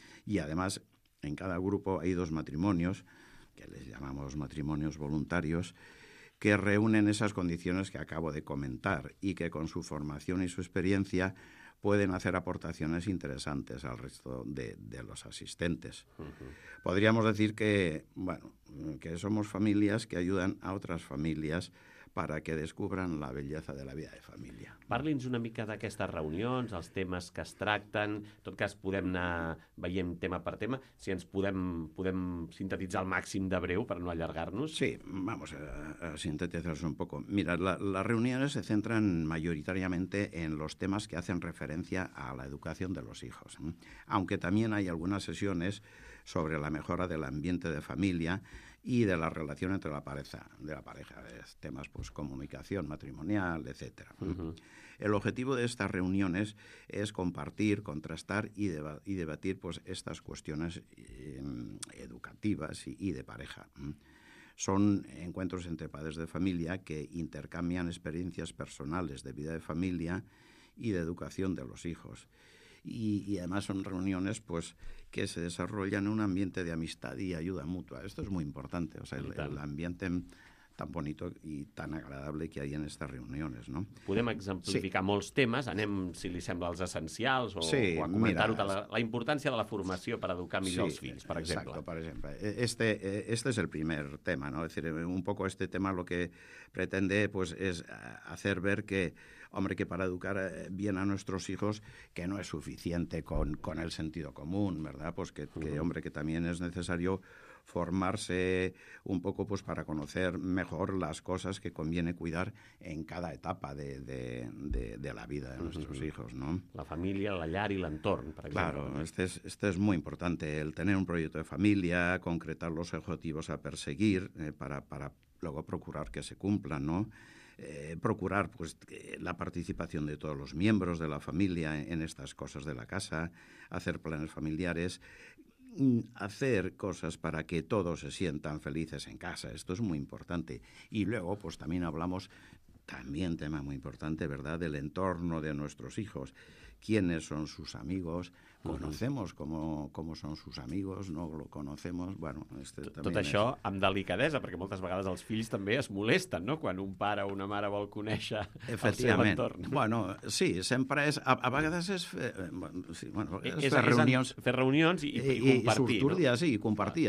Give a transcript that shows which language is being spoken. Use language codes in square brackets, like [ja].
[es] Y además, en cada grupo hay 2 matrimonios, que les llamamos matrimonios voluntarios, que reúnen esas condiciones que acabo de comentar y que con su formación y su experiencia pueden hacer aportaciones interesantes al resto de los asistentes. Uh-huh. Podríamos decir que, bueno, que somos familias que ayudan a otras familias para que descubran la belleza de la vida de família. [ca] Parli'ns una mica d'aquestes reunions, els temes que es tracten, en tot cas podem anar veient tema per tema, si ens podem sintetitzar al màxim de breu per no allargar-nos. [es] Sí, vamos a [ca] sintetitzar-nos [es] un poco. Mira, las reuniones se centran mayoritariamente en los temas que hacen referencia a la educación de los hijos, aunque también hay algunas sesiones sobre la mejora del ambiente de familia y de la relación entre la pareja, temas pues comunicación matrimonial, etcétera. Uh-huh. El objetivo de estas reuniones es compartir, contrastar y debatir pues estas cuestiones educativas y de pareja. Son encuentros entre padres de familia que intercambian experiencias personales de vida de familia y de educación de los hijos. Y además son reuniones pues que se desarrollan en un ambiente de amistad y ayuda mutua. Esto es muy importante, o sea, el ambiente tan bonito y tan agradable que hay en estas reuniones, ¿no? [ca] Podem exemplificar molts temes, anem, si li sembla, els essencials o comentar-ho, la importància de la formació per educar millor els fills, per exemple. [es] Exacto, [ca] per exemple. [es] Este es el primer tema, ¿no? Es decir, un poco este tema lo que pretende pues es hacer ver que, hombre, que para educar bien a nuestros hijos, que no es suficiente con el sentido común, ¿verdad? Pues que, uh-huh. que, hombre, que también es necesario formarse un poco pues para conocer mejor las cosas que conviene cuidar en cada etapa de la vida de nuestros uh-huh. hijos, ¿no? [ca] La familia, la llar y el entorn, [es] por ejemplo. Claro, este es muy importante, el tener un proyecto de familia, concretar los objetivos a perseguir para luego procurar que se cumplan, ¿no? Procurar pues la participación de todos los miembros de la familia en estas cosas de la casa, hacer planes familiares, hacer cosas para que todos se sientan felices en casa. Esto es muy importante. Y luego pues también hablamos, también tema muy importante, ¿verdad?, del entorno de nuestros hijos. ¿Quiénes son sus amigos? ¿Conocemos cómo son sus amigos? ¿No lo conocemos? Bueno, [ca] tot això amb delicadesa, perquè moltes vegades els fills també es molesten, no?, quan un pare o una mare vol conèixer el seu entorn. Bueno, sí, sempre és... A vegades és fer reunions i compartir, sortir, no? Sí, i compartir.